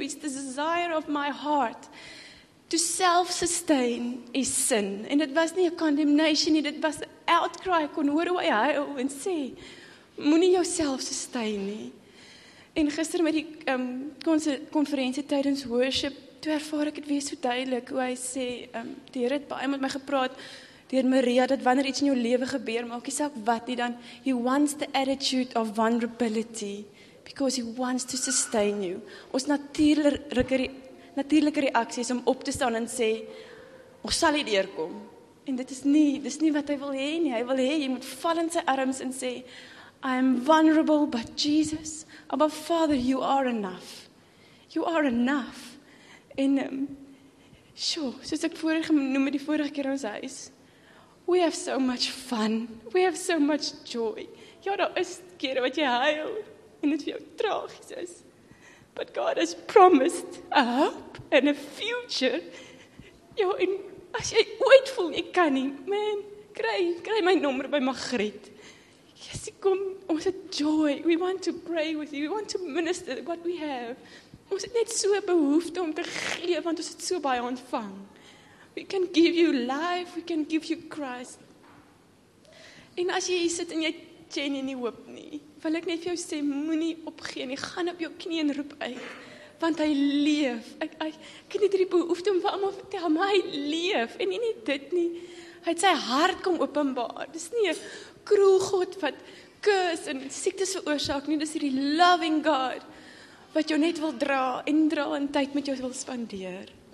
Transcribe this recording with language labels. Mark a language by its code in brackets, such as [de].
[en] It's the desire of my heart to self-sustain is sin. [af] En dit was nie 'n condemnation nie, dit was 'n outcry. Ek kon hoor hoe hy huil en sê, moenie jouself sustain nie. En gister met die konferensie tydens worship, toe ervaar ek het weer so duidelik hoe hy sê, die Here het baie met my gepraat, Deur Maria, dat wanneer iets in jou lewe gebeur, maak jy saak wat nie, dan [en] he wants the attitude of vulnerability because he wants to sustain you. [af] Ons natuurlike reaksie is om op te staan en sê, ons sal hier deurkom. En dis nie wat hy wil hê nie. Hy wil hê, jy moet val in sy arms en sê, [en] I am vulnerable, but Jesus, Abba Father, you are enough. [af] You are enough. En, soos ek vorig genoem het die vorige keer in ons huis, [en] we have so much fun. We have so much joy. [af] Ja, daar is kere wat jy huil en dit vir jou tragies is. [en] But God has promised a hope and a future. [af] Ja, en as jy ooit voel jy kan nie, man, kry my nommer by Margriet. [en] Yes, [af] kom, ons het [en] joy. We want to pray with you. We want to minister what we have. [af] Ons het net so behoefte om te gee want ons het so baie ontvang. [en] We can give you life, we can give you Christ. [af] En as jy hier sit en jy ken nie hoop nie, wil ek net vir jou sê, moenie opgee nie, gaan op jou knie en roep uit, want hy leef. Ek het nie die behoefte om vir almal vertel, maar hy leef, en nie dit nie. Hy het sy hart kom openbaar, dis nie 'n cruel God wat kus en siektes veroorsaak nie, dis die loving God, wat jou net wil dra en dra en tyd met jou wil spandeer.